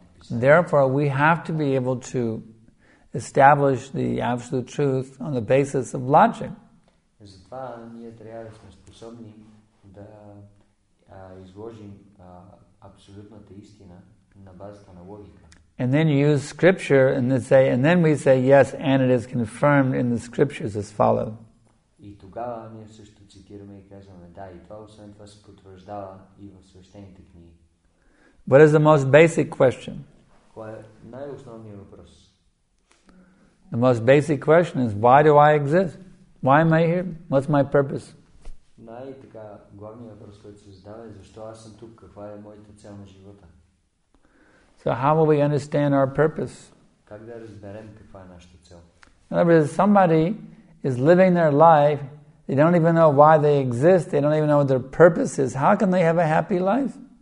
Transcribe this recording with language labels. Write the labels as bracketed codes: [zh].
[en] Therefore, we have to be able to establish the absolute truth on the basis of logic. And then use Scripture and then say, and then we say, yes, and it is confirmed in the Scriptures as follows. [bg] И тогава ние също цитираме и казваме да, и това освен това се потвърждава и в свещените книги. [en] What is the most basic question? [bg] Кой е най-основният въпрос? [en] The most basic question is why do I exist? Why am I here? What's my purpose? [bg] Най-така главният въпрос, който се задава, е защо аз съм тук? Каква е моята цел на живота? [en] So how will we understand our purpose? [bg] Как да разберем каква е нашата цел? [en] In other words, somebody is living their life, they don't even know why they exist, they don't even know what their purpose is. How can they have a happy life?